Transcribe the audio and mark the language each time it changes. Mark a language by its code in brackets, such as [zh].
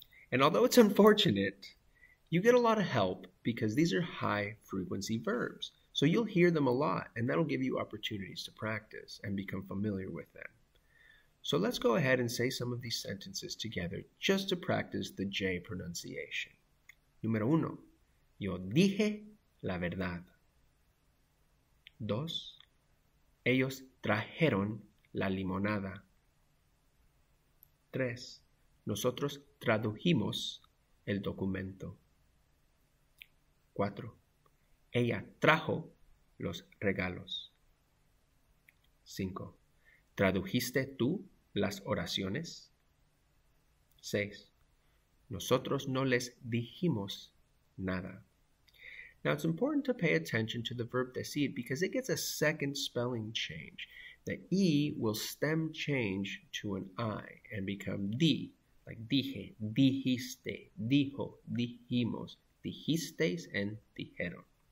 [en] And although it's unfortunate, you get a lot of help because these are high frequency verbs. So you'll hear them a lot, and that'll give you opportunities to practice and become familiar with them. So let's go ahead and say some of these sentences together just to practice the J pronunciation. [es] Número uno, yo dije la verdad. Dos, ellos trajeron la limonada. Tres, nosotros tradujimos el documento. Cuatro, ella trajo los regalos. 5. ¿Tradujiste tú las oraciones? 6. Nosotros no les dijimos nada. [en] Now it's important to pay attention to the verb decir because it gets a second spelling change. The E will stem change to an I and become D, like dije, dijiste, dijo, dijimos, dijisteis, and dijeron.